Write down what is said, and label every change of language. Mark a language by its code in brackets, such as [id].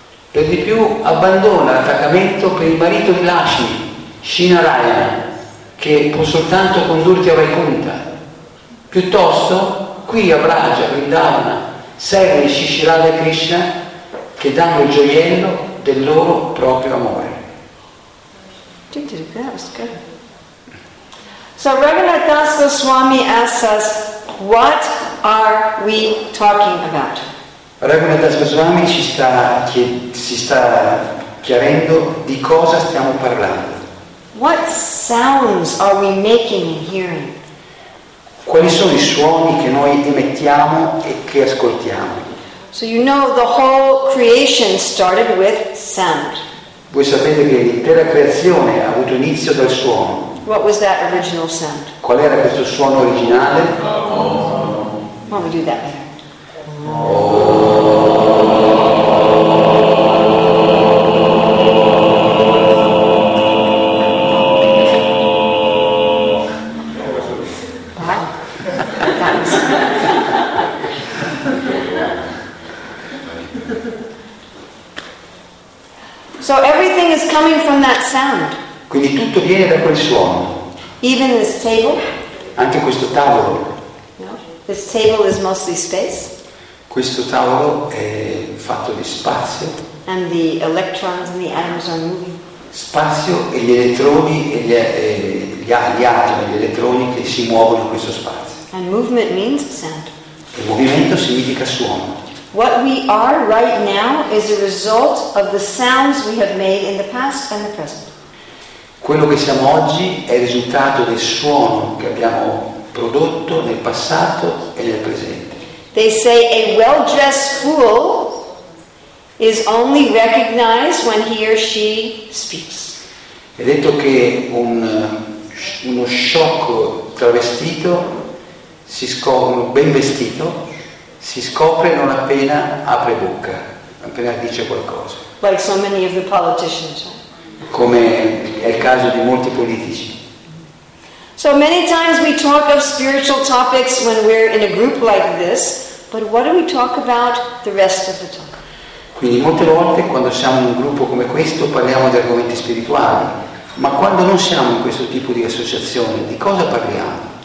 [it] Per di più, abbandona l'attaccamento per il marito di Lakshmi, Shinarayana, che può soltanto condurti a Vaikuntha. Piuttosto, qui a Vraja, Vrindavana, segui Shishirada e Krishna che danno il gioiello del loro proprio amore. [en] That was good. So Raghunath Das Goswami asks us, what are we talking about? [it] Raghunath Das Goswami si sta chiarendo di cosa stiamo parlando. [en] What sounds are we making and hearing? [it] Quali sono i suoni che noi emettiamo e che ascoltiamo? [en] So you know the whole creation started with sound. [it] Voi sapete che l'intera creazione ha avuto inizio dal suono. [en] What was that original sound? [it] Qual era questo suono originale? [en] Oh. Why don't we do that? Oh. So everything is coming from that sound. [it] Quindi tutto viene da quel suono. [en] Even this table. [it] Anche questo tavolo. [en] No. This table is mostly space. [it] Questo tavolo è fatto di spazio. [en] And the electrons and the atoms are moving. [it] Spazio e gli elettroni e gli atomi, gli elettroni che si muovono in questo spazio. [en] And movement means sound. [it] E movimento significa suono. [en] What we are right now is a result of the sounds we have made in the past and the present. [it] Quello che siamo oggi è risultato del suono che abbiamo prodotto nel passato e nel presente. [en] They say a well-dressed fool is only recognized when he or she speaks. [it] È detto che uno sciocco travestito si scopre ben vestito. Si scopre non appena apre bocca, appena dice qualcosa. [en] Like so many of the politicians. [it] Come è il caso di molti politici. [en] So many times we talk of spiritual topics when we're in a group like this, but what do we talk about the rest of the time? [it] Quindi molte volte quando siamo in un gruppo come questo parliamo di argomenti spirituali, ma quando non siamo in questo tipo di associazione, di cosa parliamo?